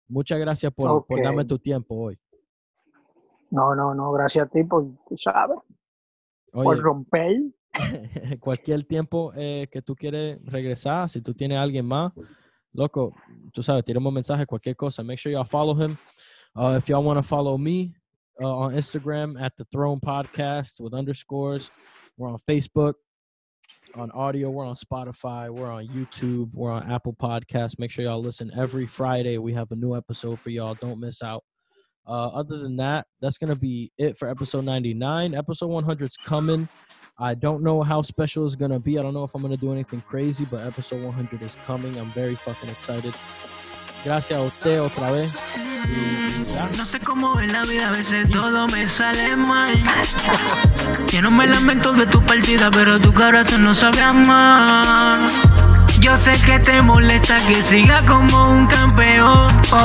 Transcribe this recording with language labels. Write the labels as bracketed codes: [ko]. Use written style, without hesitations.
[es] Muchas gracias por darme tu tiempo hoy. No, gracias a ti por, tú sabes, oye, por romper. Cualquier tiempo que tú quieres regresar, si tú tienes a alguien más, loco, tú sabes, tiremos mensaje, cualquier cosa. [en] Make sure y'all follow him. If y'all want to follow me on Instagram at The Throne Podcast with underscores, we're on Facebook, on audio, we're on Spotify, we're on YouTube, we're on Apple Podcasts. Make sure y'all listen every Friday. We have a new episode for y'all. Don't miss out. Other than that, that's going to be it for episode 99. Episode 100 is coming. I don't know how special it's going to be. I don't know if I'm going to do anything crazy, but episode 100 is coming. I'm very fucking excited. [es] Gracias a usted otra vez. No sé cómo es la vida, a veces todo me sale mal. Yo no me lamento de tu partida, pero tu cara se no sabe amar. Yo sé que te molesta que siga como un campeón.